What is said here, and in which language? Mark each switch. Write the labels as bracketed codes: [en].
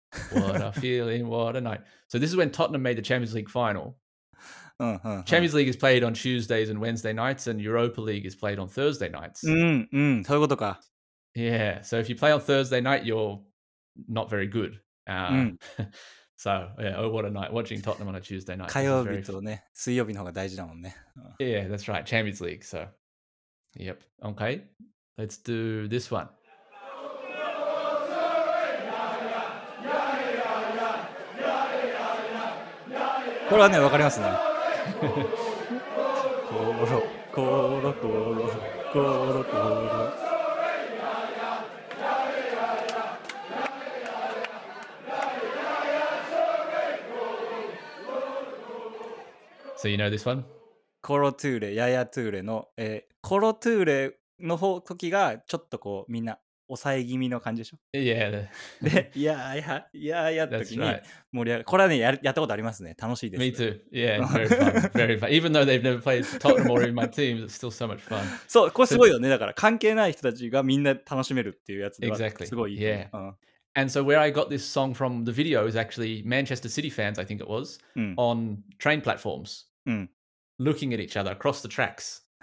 [en] What a feeling, what a night. So this is when Tottenham made the Champions League final. Champions League is played on Tuesdays and Wednesday nights, and Europa League is played on Thursday nights. [ja] そういうことか。 [en] Yeah, so if you play on Thursday night, you're not very good. So, yeah, oh, what a night, watching Tottenham on a Tuesday night. [ja] 火曜日とね、水曜日の方が大事だもんね。 [en] Yeah, that's right, Champions League, so. Yep, okay, let's do this one. [ja] これはね、わかりますね。コロコロコロコロコロ。 [en] So you know this one? [ja] コロトゥーレ、ヤヤトゥーレの、コロトゥーレの方時がちょっとこうみんな抑え気味の感じでしょ。いやいや。で、いやいや、いやいやって時に盛り上がる。これはね、やったことありますね。楽しいです。 [en] Me too. Yeah, very fun. Very fun. Even though they've never played Tottenham or in my team, it's still so much fun. [ja] そう、これすごいよね。だから関係ない人たちがみんな楽しめるっていうやつでは、 exactly. すごい。 Yeah. [en] And so where I got this song from the video is actually Manchester City fans, I think it was, on train platforms, looking at each other across the tracks.